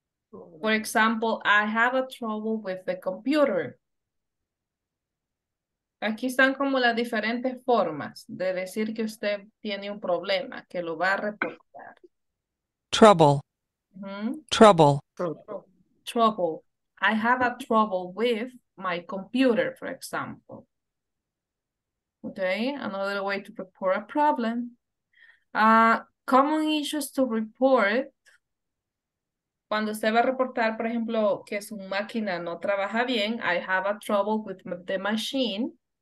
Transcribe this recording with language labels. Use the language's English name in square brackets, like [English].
[English] For example, I have a trouble with the computer. [Spanish] Aquí están como las diferentes formas de decir que usted tiene un problema, que lo va a reportar. [English] Trouble. Mm-hmm. Trouble. Trouble. I have a trouble with my computer, for example. Okay, another way to report a problem. Common issues to report. [Spanish] Cuando usted va a reportar, por ejemplo, que su máquina no trabaja bien, [English] I have a trouble with the machine.